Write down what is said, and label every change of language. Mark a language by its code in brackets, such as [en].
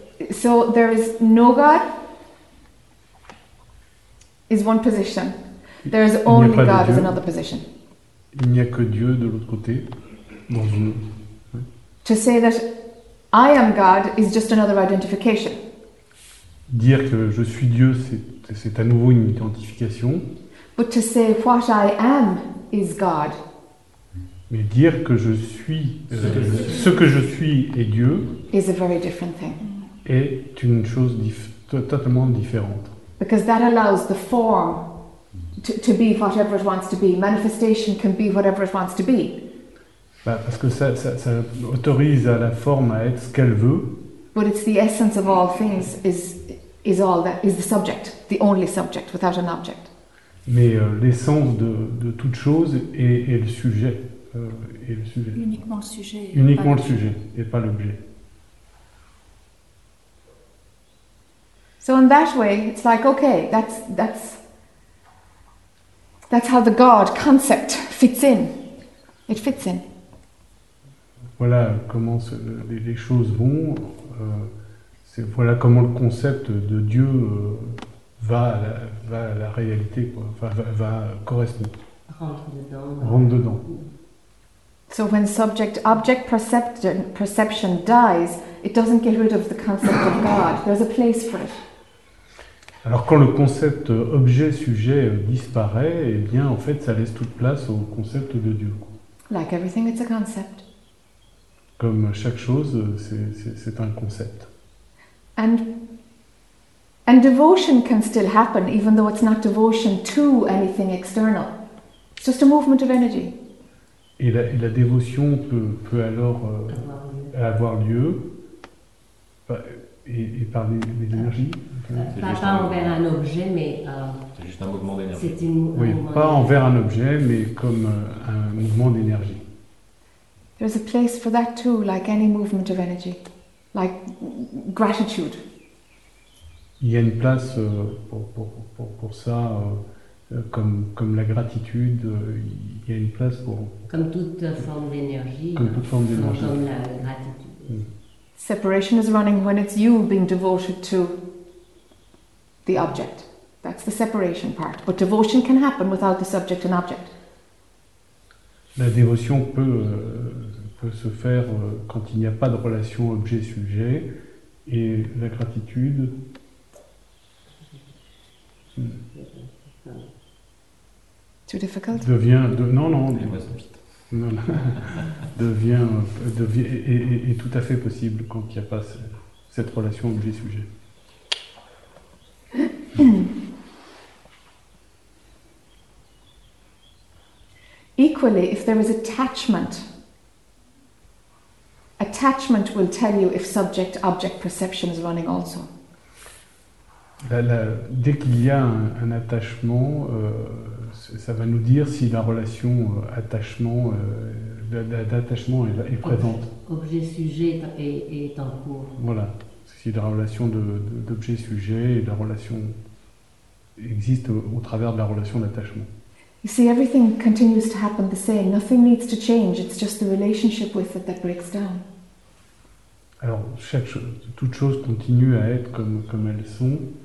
[en] So there is no God is one position. There is only God [fr] Dieu, [en] is another position. [fr] Il n'y a que Dieu de l'autre côté, dans une... [en] To say that I am God is just another identification. [fr] Dire que je suis Dieu, c'est à nouveau une identification. [en] But to say what I am is God. [fr] Mais dire que je suis ce que je suis est Dieu [en] is a very different thing. [fr] Est une chose totalement différente. [en] Because that allows the form to be whatever it wants to be. Manifestation can be whatever it wants to be. [fr] Bah, parce que ça autorise à la forme à être ce qu'elle veut. [en] But it's the essence of all things is all that is the subject, the only subject without an object. [fr] Mais l'essence de toute chose est le sujet. Et le sujet. Uniquement le sujet. Uniquement le sujet et pas l'objet. [en] So in that way, it's like okay, that's how the God concept fits in. It fits in. [fr] Voilà comment les choses vont. C'est voilà comment le concept de Dieu va à la réalité, quoi. Enfin, va correspondre. Rentre dedans. [en] So when subject-object perception dies, it doesn't get rid of the concept of God. There's a place for it. [fr] Alors quand le concept objet-sujet disparaît, eh bien en fait ça laisse toute place au concept de Dieu. [en] Like everything, it's a concept. [fr] Comme chaque chose, c'est un concept. [en] And devotion can still happen, even though it's not devotion to anything external. It's just a movement of energy. [fr] Et la dévotion peut alors avoir lieu et par les énergies. Pas envers un objet, mais c'est juste un mouvement d'énergie. Envers un objet, mais comme un mouvement d'énergie. There's a place for that too, like any movement of energy, like gratitude. Il y a une place pour ça. Comme la gratitude, il y a une place pour... Comme toute forme d'énergie. Comme toute forme d'énergie. Comme la gratitude. Mm. [en] Separation is running when it's you being devoted to the object. That's the separation part. But devotion can happen without the subject and object. [fr] La dévotion peut se faire quand il n'y a pas de relation objet-sujet. Et la gratitude... [en] Too difficult? [fr] Devient tout à fait possible quand il n'y a pas cette relation objet-sujet. [en] Equally, if there is attachment will tell you if subject-object perception is running also. [fr] Dès qu'il y a un attachement, ça va nous dire si la relation d'attachement est présente. Objet-sujet est en cours. Voilà. Si la relation d'objet-sujet et la relation existe au travers de la relation d'attachement. [en] You see, everything continues to happen the same. Nothing needs to change. It's just the relationship with it that breaks down. [fr] Alors, toutes choses continuent à être comme elles sont.